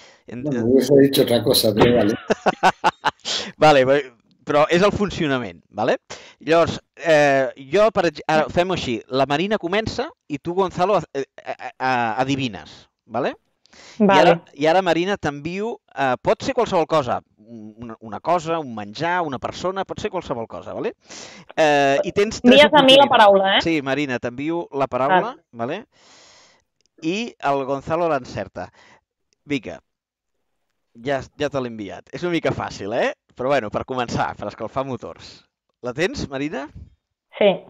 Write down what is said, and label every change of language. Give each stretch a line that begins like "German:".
Spanish: No, no hubiese dicho otra cosa, pero vale.
Catalan: Vale, però és el funcionament, ¿vale? Llavors, ara fem així, la Marina comença i tu, Gonzalo, adivines, ¿vale? Vale. I ara, Marina, t'envio, pot ser qualsevol cosa, una cosa, un menjar, una persona, pot ser qualsevol cosa, ¿vale? I tens tres oportunitats. Mies a mi la paraula, Sí, Marina, t'envio la paraula, ¿vale? I el Gonzalo l'encerta. Vinga, ja te l'he enviat. És una mica fàcil, eh? Però bueno, per començar, per escalfar motors. La tens, Marina? Sí.